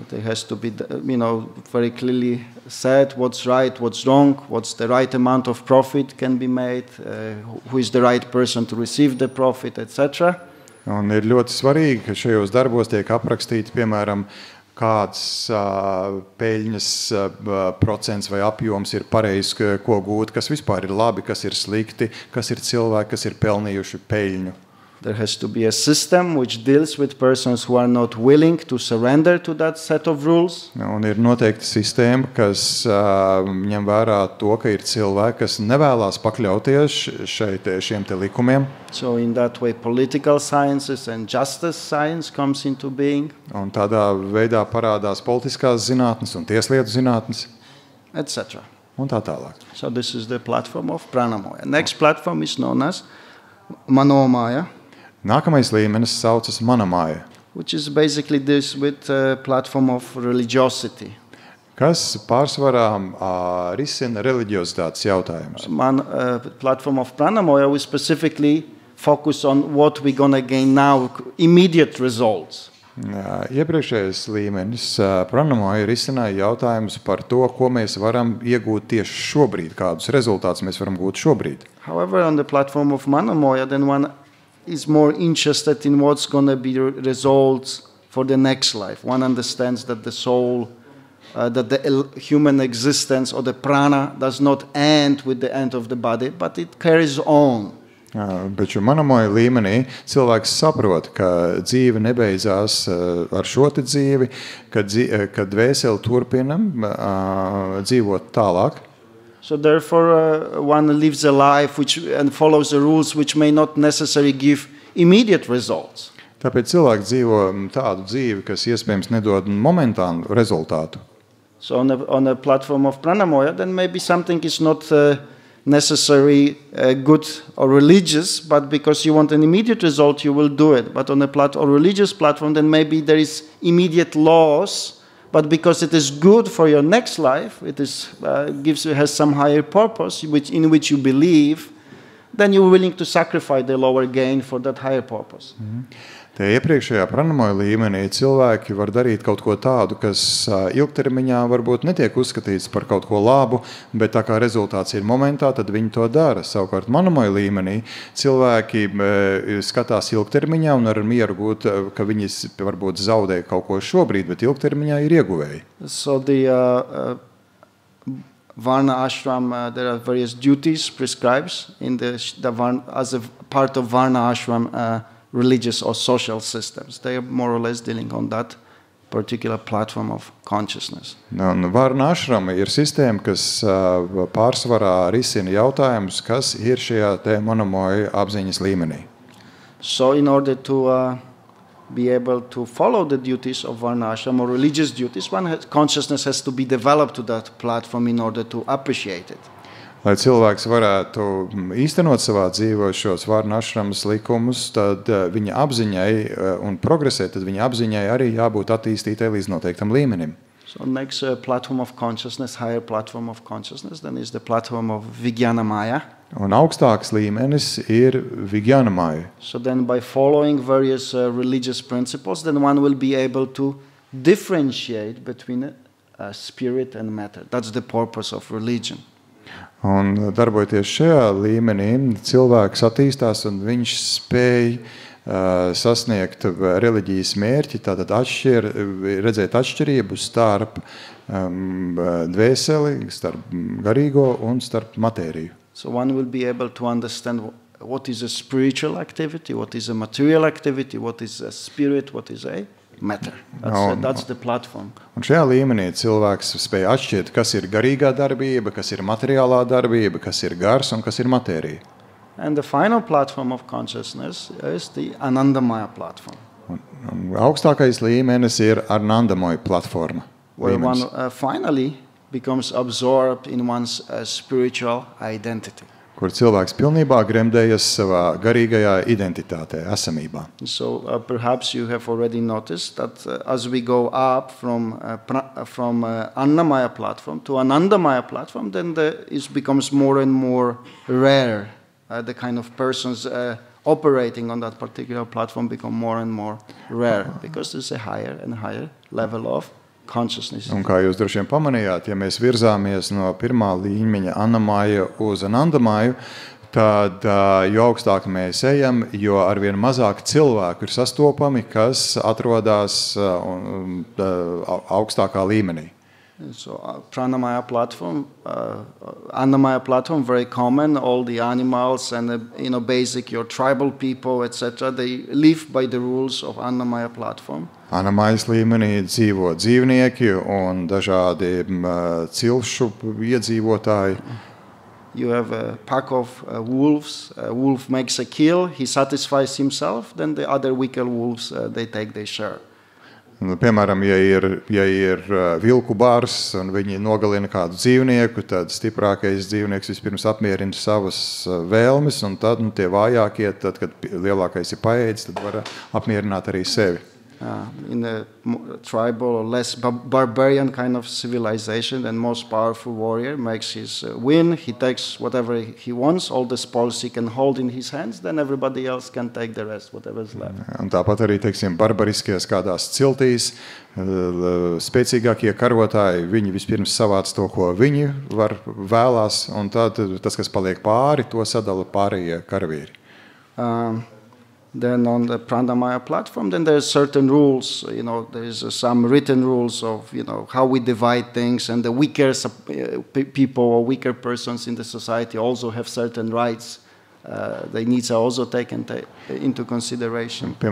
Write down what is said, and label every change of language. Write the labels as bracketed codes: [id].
[en] It has to be, you know, very clearly said what's right, what's wrong, what's the right amount of profit can be made, who is the right person to receive the profit, etc. [lv] Un ir ļoti svarīgi, ka šajos darbos tiek aprakstīti, piemēram, kāds peļņas procents vai apjoms ir pareizs, ko gūt, kas vispār ir labi, kas ir slikti, kas ir cilvēki, kas ir pelnījuši peļņu. [en] There has to be a system which deals with persons who are not willing to surrender to that set of rules. [lv] Un ir noteikta sistēma, kas ņem vērā to, ka ir cilvēki, kas nevēlās pakļauties šeit šiem te likumiem. [en] So in that way political sciences and justice science comes into being. [lv] Un tādā veidā parādās politiskās zinātnes un tieslietu zinātnes, [en] etc. [lv] Un tā tālāk. [en] So this is the platform of Pranamaya. Next platform is known as Manomaya. [lv] Nākamais līmenis saucas Manamaya, [en] which is basically this with platform of religiosity. [lv] Kas pārsvarā risina religiozitātes jautājumus. [en] Platform of Pranamaya we specifically focus on what we gonna gain now immediate results. [lv] Iepriekšējais līmenis Pranamaya risināja jautājumus par to, ko mēs varam iegūt tieši šobrīd, kādus rezultātus mēs varam gūt šobrīd. [en] However, on the platform of Manamaya then one is more interested in what's going to be results for the next life. One understands that the soul, that the human existence or the prana does not end with the end of the body, but it carries on. [lv] Bet šo Manamaya līmenī cilvēks saprot, ka dzīve nebeidzās ar šo te dzīvi, ka dvēseli turpinam dzīvot tālāk. [en] So therefore one lives a life which and follows the rules which may not necessarily give immediate results. [lv] Tāpēc cilvēks dzīvo tādu dzīvi, kas iespējams nedod momentānu rezultātu. [en] So on a platform of Pranamaya then maybe something is not necessary good or religious, but because you want an immediate result you will do it. But on a religious platform then maybe there is immediate loss. But because it is good for your next life, it is gives has some higher purpose which in which you believe, then you are willing to sacrifice the lower gain for that higher purpose. Mm-hmm. [lv] Tā iepriekšējā Pranamaya līmenī cilvēki var darīt kaut ko tādu, kas ilgtermiņā varbūt netiek uzskatīts par kaut ko labu, bet tā kā rezultāts ir momentā, tad viņi to dara. Savukārt Manamaya līmenī cilvēki skatās ilgtermiņā un var mieru būt, ka viņi varbūt zaudē kaut ko šobrīd, bet ilgtermiņā ir ieguvēji. [en] So the Varna ashram, there are various duties prescribes in the Varna, as a part of Varna ashram religious or social systems. They are more or less dealing on that particular platform of consciousness. [lv] Un Varna ashram ir sistēma, kas pārsvarā risina jautājumus, kas ir šajā te Manamaya apziņas līmenī. [en] So in order to be able to follow the duties of Varna ashram or religious duties, one has, consciousness has to be developed to that platform in order to appreciate it. [lv] Lai cilvēks varētu īstenot savā dzīvē šos Varna ashramas likumus, tad viņa apziņai un progresē, tad viņa apziņai arī jābūt attīstītai līdz noteiktam līmenim. [en] So next platform of consciousness, higher platform of consciousness, then is the platform of Vijñānamaya. [lv] Un augstāks līmenis ir Vijñānamaya. [en] So then by following various religious principles, then one will be able to differentiate between spirit and matter. That's the purpose of religion. [lv] Un darbojoties šajā līmenī, cilvēks attīstās un viņš spēj sasniegt reliģijas mērķi, tātad redzēt atšķirību starp dvēseli, starp garīgo un starp matēriju. [en] So one will be able to understand what is a spiritual activity, what is a material activity, what is a spirit, what is a matter. That's the platform. [lv] Un šajā līmenī cilvēks spēj atšķirt, kas ir garīgā darbība, kas ir materiālā darbība, kas ir gars un kas ir matērija. [en] And the final platform of consciousness is the Anandamaya platform. [lv] Un augstākais līmenis ir Anandamaya platforma. [en] Where one finally becomes absorbed in one's spiritual identity. [lv] Kur cilvēks pilnībā gremdējas savā garīgajā identitātē, esamībā. [en] So perhaps you have already noticed that as we go up from Annamaya platform to Anandamaya platform, then it becomes more and more rare. The kind of persons operating on that particular platform become more and more rare because there's a higher and higher level of consciousness. [lv] Un kā jūs droši vien pamanījāt, ja mēs virzāmies no pirmā līmeņa Anamaya uz Anandamaya, tad jo augstāk mēs ejam, jo arvien mazāk cilvēku ir sastopami, kas atrodas augstākā līmenī. [en] So Pranamaya platform, Anamaya platform, very common, all the animals and you know, basic your tribal people, etc., they live by the rules of Anamaya platform. [lv] Anamajas līmenī dzīvo dzīvnieki un dažādi cilšu iedzīvotāji. [en] You have a pack of wolves, a wolf makes a kill, he satisfies himself, then the other weaker wolves, they take their share. [lv] Piemēram, ja ir vilku bars un viņi nogalina kādu dzīvnieku, tad stiprākais dzīvnieks vispirms apmierina savas vēlmes, un tad nu, tie vājākie, tad, kad lielākais ir paēdis, tad var apmierināt arī sevi. [en] In a tribal or less barbarian kind of civilization, then most powerful warrior makes his win, he takes whatever he wants, all the spoils he can hold in his hands, then everybody else can take the rest, whatever is left. [lv] Un tāpat arī, teiksim, barbariskajās kādās ciltīs, spēcīgākie karotāji, viņi vispirms savāc to, ko viņi var vēlās, un tad tas, kas paliek pāri, to sadala pārējie karavīri. [en] Then on the Pranamaya platform, then there are certain rules, you know, there's some written rules of, you know, how we divide things, and the weaker people or weaker persons in the society also have certain rights. They needs are also taken into consideration.